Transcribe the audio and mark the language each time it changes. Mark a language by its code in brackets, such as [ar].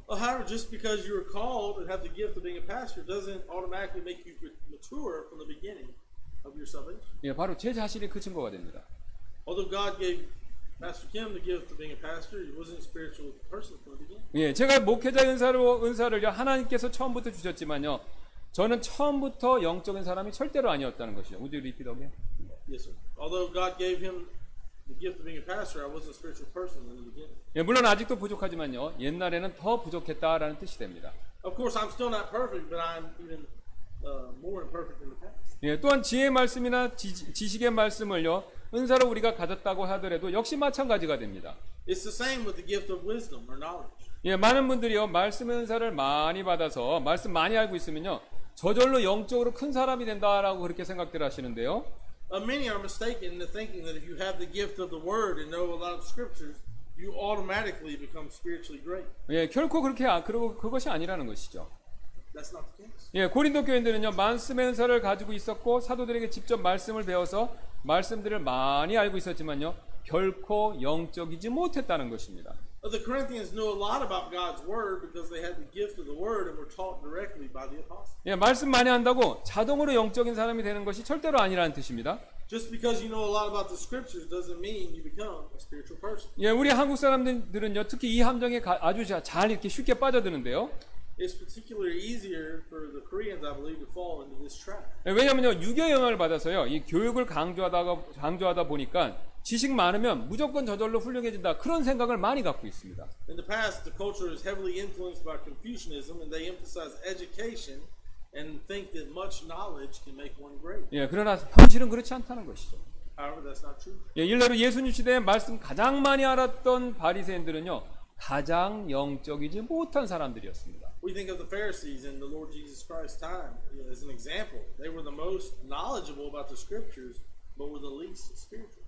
[en] Well, however, just because you are called and have the gift of being a pastor doesn't automatically make you mature from the beginning of your salvation. [ko] 예, 바로 제 자신이 그 증거가 됩니다. [en] Although God gave Pastor Kim the gift of being a pastor, he wasn't a spiritual person from the beginning. [ko] 예, 제가 목회자 은사를 하나님께서 처음부터 주셨지만요. 저는 처음부터 영적인 사람이 절대로 아니었다는 것이죠. [en] Would you repeat again? Yes, sir. Although God gave him the gift of being a pastor, I wasn't a spiritual person in the beginning. [ko] 예, 물론 아직도 부족하지만요. 옛날에는 더 부족했다라는 뜻이 됩니다. [en] Of course, I'm still not perfect, but I'm even more imperfect than the past. [ko] 예, 또한 지혜의 말씀이나 지식의 말씀을요, 은사로 우리가 가졌다고 하더라도 역시 마찬가지가 됩니다. [en] It's the same with the gift of wisdom or knowledge. [ko] 예, 많은 분들이요 말씀 은사를 많이 받아서 말씀 많이 알고 있으면요 저절로 영적으로 큰 사람이 된다라고 그렇게 생각들 하시는데요. [en] Many are mistaken in thinking that if you have the gift of the word and know a lot of scriptures, you automatically become spiritually great. [ko] 예, 결코 그렇게 그리고 그것이 아니라는 것이죠. [en] That's not the case. [ko] 예, 고린도 교인들은요 말씀 은사를 가지고 있었고 사도들에게 직접 말씀을 배워서 말씀들을 많이 알고 있었지만요 결코 영적이지 못했다는 것입니다. [en] The Corinthians knew a lot about God's word because they had the gift of the word and were taught directly by the apostles. [ko] 예, 말씀 많이 한다고 자동으로 영적인 사람이 되는 것이 절대로 아니라는 뜻입니다. [en] Just because you know a lot about the scriptures doesn't mean you become a spiritual person. [ko] 예, 우리 한국 사람들은요, 특히 이 함정에 아주 잘 이렇게 쉽게 빠져드는데요. [en] It's particularly easier for the Koreans, I believe, to fall into this trap. [ko] 예, 왜냐면요, 유교 영향을 받아서요, 이 교육을 강조하다 보니까 지식 많으면 무조건 저절로 훌륭해진다 그런 생각을 많이 갖고 있습니다. [en] In the past, the culture is heavily influenced by Confucianism, and they emphasize education and think that much knowledge can make one great. [ko] 예, 그러나 현실은 그렇지 않다는 것이죠. [en] However, that's not true. [ko] 예, 일례로 예수님 시대에 말씀 가장 많이 알았던 바리새인들은요, 가장 영적이지 못한 사람들이었습니다. [en] We think of the Pharisees in the Lord Jesus Christ's time as an example. They were the most knowledgeable about the Scriptures. But were the least spiritual.